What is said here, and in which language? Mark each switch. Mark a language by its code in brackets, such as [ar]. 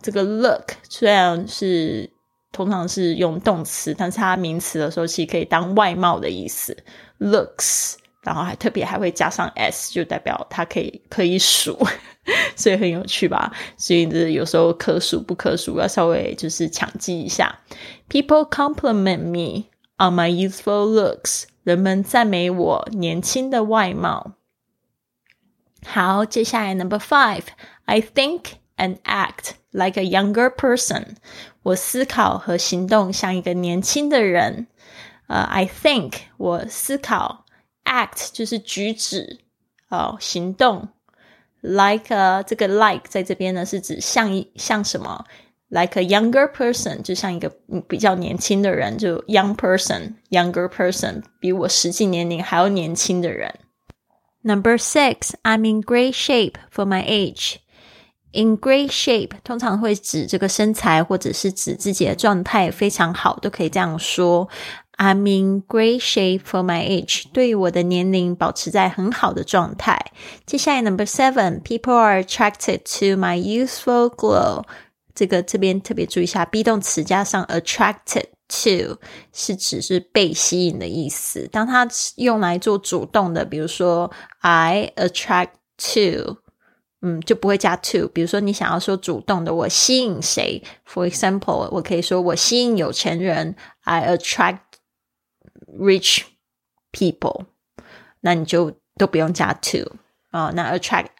[zh] 这个 look 虽然是通常是用动词，但是它名词的时候其实可以当外貌的意思， looks，然后还特别还会加上 s， 就代表它可以数，所以很有趣吧。所以就是有时候可数不可数要稍微就是强记一下。 [en] People compliment me on my youthful looks， [zh] 人们赞美我年轻的外貌。好，接下来 [en] number five， I think and act like a younger person， [zh] 我思考和行动像一个年轻的人。 [en] I think， [zh] 我思考，act 就是举止行动。 like 这个 like 在这边呢是指像什么， [en] like a younger person [zh] 就像一个比较年轻的人，就 younger person 比我实际年龄还要年轻的人。 [en] Number six， I'm in great shape for my age。 [zh] In great shape 通常会指这个身材或者是指自己的状态非常好，都可以这样说。 [en] I'm in great shape for my age， [zh] 对于我的年龄保持在很好的状态。接下来 [en] number seven， people are attracted to my youthful glow。 [zh] 这边特别注意一下 be 动词加上 attracted to， 是指是被吸引的意思。当它用来做主动的，比如说 [en] I attract to， [zh] 就不会加 to。比如说你想要说主动的，我吸引谁， [en] for example [zh] 我可以说我吸引有钱人， [en] I attract rich people， [zh] 那你就都不用加 to 那 attract